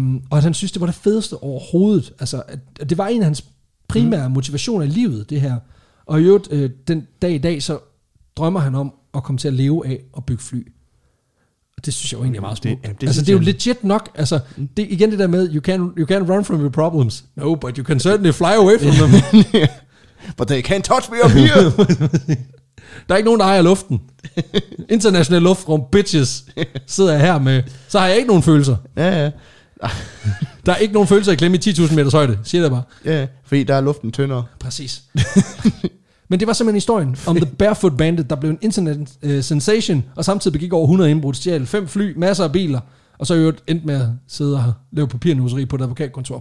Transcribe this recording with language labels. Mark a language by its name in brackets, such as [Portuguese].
[Danish] Og at han synes, det var det fedeste overhovedet. Altså, at det var en af hans primære motivationer i livet, det her. Og i øvrigt, den dag i dag, så drømmer han om at komme til at leve af og bygge fly. Og det synes jeg jo egentlig er meget smukt. Altså, det er jo legit nok. Altså, det, igen det der med, you can't run from your problems. [English] No, but you can certainly fly away from them. But they can't touch me up here. [Danish] Der er ikke nogen, der ejer luften. International luftrum, bitches, sidder jeg her med. Så har jeg ikke nogen følelser. Ja, ja. Der er ikke nogen følelser at klemme i 10.000 meters højde, siger det bare. Ja, fordi der er luften tyndere. Præcis. Men det var simpelthen historien om The Barefoot Bandit, der blev en internet sensation, og samtidig begik over 100 indbrud, stjal 5 fly, masser af biler, og så endte med at sidde og lave papirnusseri på et advokatkontor.